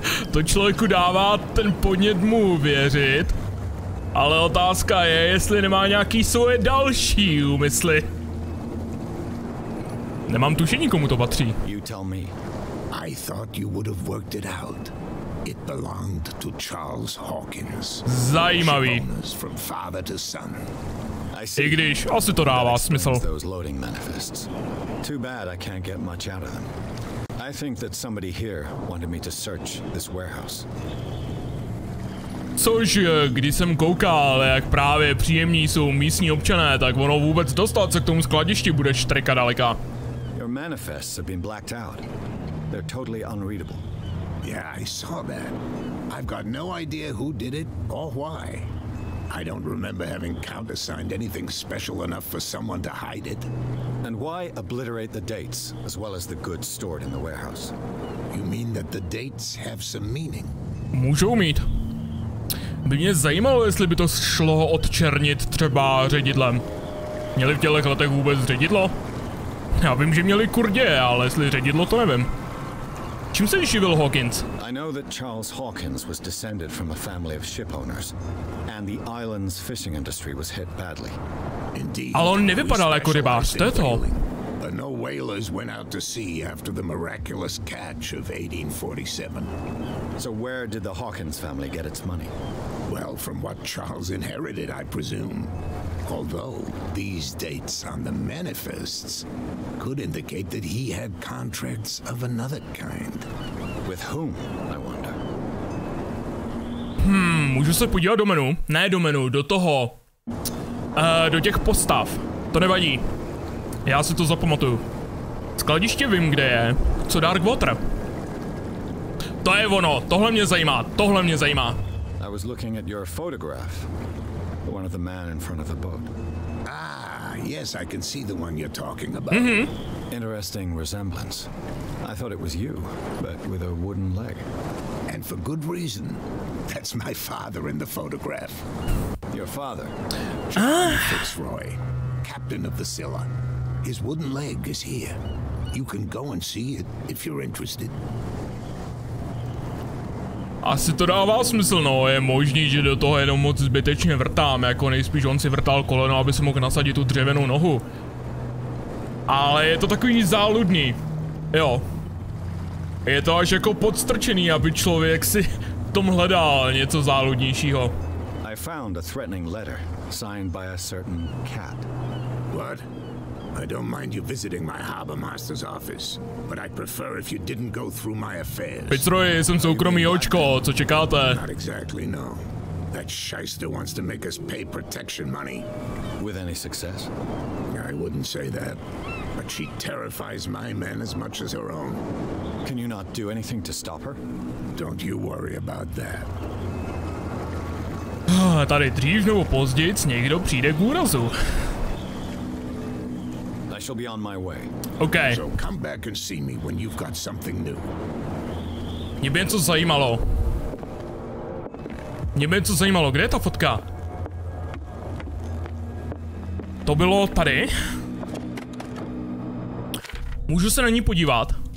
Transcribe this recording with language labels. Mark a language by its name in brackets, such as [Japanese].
[Czech] to člověku dává ten podnět mu věřit. Ale otázka je, jestli nemá nějaký svoje další úmysly. Nemám tušení, komu to patří. [English] You tell me. I thought you would have worked it out. It belonged to Charles Hawkins. [Czech] Zajímavý. [English] From father to son. I see. [Czech] I když asi to dává smysl. [English] Those loading manifests. Too bad I can't get much out of them. I think that somebody here wanted me to search this warehouse. [Czech] Což, když jsem koukal, jak právě příjemní jsou místní občané, tak ono vůbec dostat se k tomu skladišti bude štreka daleka. [English] Your manifests have been blacked out. They're totally unreadable. Yeah, I saw that. I've got no idea who did it or why. I don't remember having countersigned anything special enough for someone to hide it. And why obliterate the dates as well as the goods stored in the warehouse? You mean that the dates have some meaning? [Czech] Můžou mít. By mě zajímalo, jestli by to šlo odčernit třeba ředidlem. Měli v těch letech vůbec ředidlo? Já vím, že měli kurdě, ale jestli ředidlo, to nevím. Čím se živil Hawkins? [English] I know that Charles Hawkins was descended from a family of ship owners, and the island's fishing industry was hit badly. Indeed. Ale on nevypadal jako rybář, to je to. But no whalers went out to sea after the miraculous catch of 1847. So where did the Hawkins family get its money? Well, from what Charles inherited, I presume. Although these dates on the manifests could indicate that he had contracts of another kind. With whom, I wonder? [Czech] Můžu se podívat do menu? Ne do menu, do toho. Do těch postav. To nevadí. Já si to zapamatuju. Skladiště vím, kde je. Co Darkwater? To je ono, tohle mě zajímá. [English] I was looking at your photograph. The one of the man in front of the boat. Ah, yes, I can see the one you're talking about. Mm-hmm. Interesting resemblance. I thought it was you, but with a wooden leg. And for good reason. That's my father in the photograph. Your father? Fitzroy, captain of the Scylla. His wooden leg is here. You can go and see it if you're interested. [Czech] Asi to dává smysl, no, je možný, že do toho jenom moc zbytečně vrtám, jako nejspíš on si vrtal koleno, aby si mohl nasadit tu dřevěnou nohu. Ale je to takový záludný. Jo. Je to až jako podstrčený, aby člověk si v tom hledal něco záludnějšího. [English] I found a threatening letter signed by a certain cat. What? I don't mind you visiting my harbor master's office, but I'd prefer if you didn't go through my affairs. [Czech] Fitzroy, jsem soukromý očko, co čekáte? [English] Not exactly, no. That shyster wants to make us pay protection money. With any success? I wouldn't say that, but she terrifies my men as much as her own. Can you not do anything to stop her? Don't you worry about that. [Czech] Tady dřív nebo později někdo přijde k úrazu. [English] She'll be on my way. Okay. So come back and see me when you've got something new. [Czech] Mě by něco zajímalo. Mě by něco zajímalo, kde je ta fotka? To bylo tady. Můžu se na ní podívat?